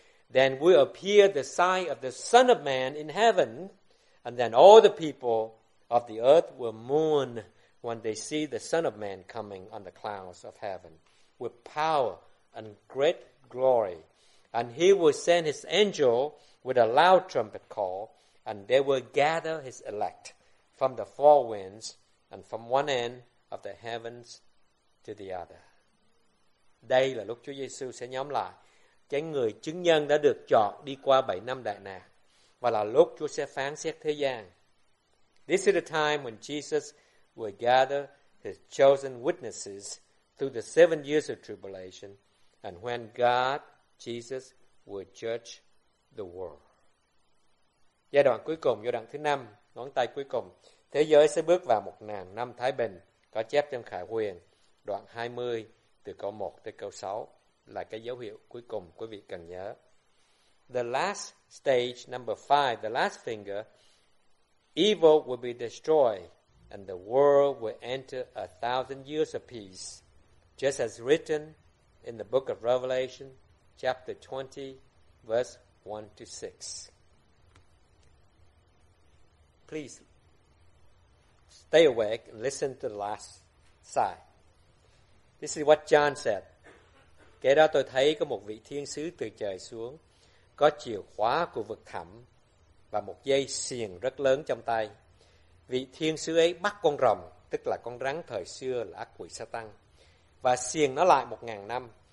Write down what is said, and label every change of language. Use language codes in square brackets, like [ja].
[en] Then will appear the sign of the Son of Man in heaven, and then all the people of the earth will mourn when they see the Son of Man coming on the clouds of heaven with power and great glory. And he will send his angel with a loud trumpet call, and they will gather his elect from the four winds and from one end of the heavens to the other. [vi] Đây là lúc Chúa Giêsu sẽ nhóm lại cái người chứng nhân đã được chọn đi qua 7 năm đại nạn, và là lúc Chúa sẽ phán xét thế gian. [en] This is the time when Jesus will gather his chosen witnesses through the 7 years of tribulation, and when God, Jesus, will judge the world. [vi] Giai đoạn cuối cùng, giai đoạn thứ năm, ngón tay cuối cùng, thế giới sẽ bước vào 1000 năm thái bình, có chép trong Khải Huyền, đoạn 20, từ câu 1 tới câu 6, là cái dấu hiệu cuối cùng quý vị cần nhớ. [en] The last stage, number 5, the last finger, evil will be destroyed, and the world will enter 1,000 years of peace, just as written in the book of Revelation, chapter 20, verse 1 to 6. Please stay awake and listen to the last side. This is what John said. [vi] Kể đó tôi thấy có một vị thiên sứ từ trời xuống, có chìa khóa của vực thẳm và một dây xiềng rất lớn trong tay. Vị thiên sứ ấy bắt con rồng, tức là con rắn thời xưa là ác quỷ Satan, và xiềng nó lại 1000 năm.